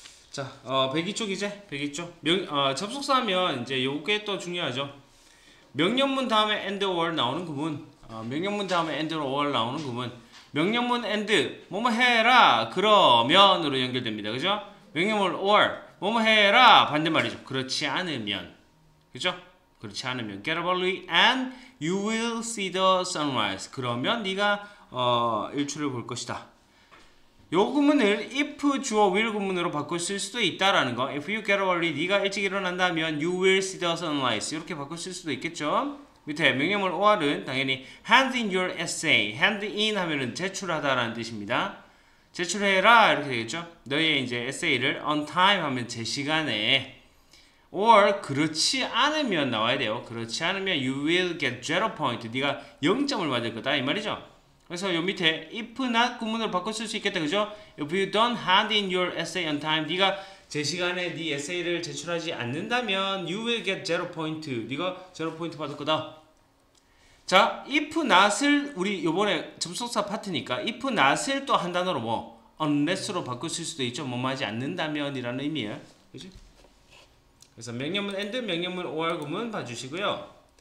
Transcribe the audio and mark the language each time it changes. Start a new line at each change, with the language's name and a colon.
Korean: 자, 102 쪽 이제, 102 쪽. 접속사 하면 이제 요게 또 중요하죠. 명령문 다음에 end or 나오는 구문. 명령문 다음에 end or 나오는 구문. 명령문 end, 뭐뭐 해라, 그러면으로 연결됩니다. 그죠? 명령문 or, 뭐뭐 해라, 반대말이죠. 그렇지 않으면. 그죠? 그렇지 않으면
English: get up early and you will see the sunrise.
Korean: 그러면 네가 일출을 볼 것이다. 요 구문을 if 주어 will 구문으로 바꿀 수 있을 수도 있다라는 거.
English: If you get up early,
Korean: 네가 일찍 일어난다면
English: you will see the sunrise.
Korean: 이렇게 바꿀 수 있을 수도 있겠죠. 밑에 명령문 or은 당연히
English: hand in your essay.
Korean: hand in 하면은 제출하다라는 뜻입니다. 제출해라 이렇게 되겠죠. 너의 이제 에세이를 on time 하면 제 시간에. or 그렇지 않으면 나와야 돼요. 그렇지 않으면
English: you will get 0 point.
Korean: 네가 0점을 맞을 거다 이 말이죠. 그래서 요 밑에 if not 구문으로 바꿀 수 있겠다. 그죠?
English: If you don't hand in your essay on time,
Korean: 네가 제 시간에 네 에세이를 제출하지 않는다면
English: you will get 0 point.
Korean: 네가 0 point 받을 거다. 자, if not을 우리 요번에 접속사 파트니까 if not을 또한 단어로 뭐 unless로 바꿀 수 있을 수도 있죠. 뭐뭐하지 않는다면이라는 의미예요. 그죠? 그래서 명령문 end, 명령문 or 구문 봐주시고요.